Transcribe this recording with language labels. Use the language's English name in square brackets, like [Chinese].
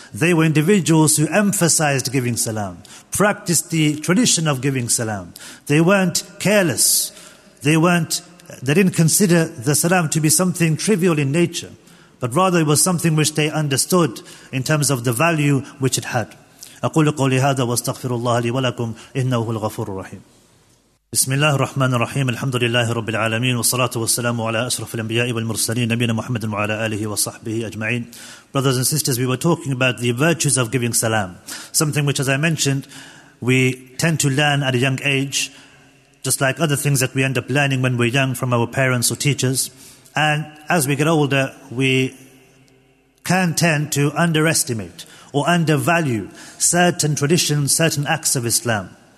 [English] They were individuals who emphasized giving salam, practiced the tradition of giving salam. They weren't careless. They didn't consider the salam to be something trivial in nature, but rather it was something which they understood in terms of the value which it had. [Arabic] أقول قولي هذا واستغفر الله لي ولكم إنه هو الغفور الرحيم. بسم الله الرحمن الرحيم الحمد لله رب العالمين والصلاة والسلام على أشرف الأنبياء والمرسلين نبينا محمد وعلى آله وصحبه أجمعين. [English] Brothers and sisters, we were talking about the virtues of giving salam, something which, as I mentioned, we tend to learn at a young age, just like other things that we end up learning when we're young from our parents or teachers. And as we get older, we can tend to underestimate or undervalue certain traditions, certain acts of Islam.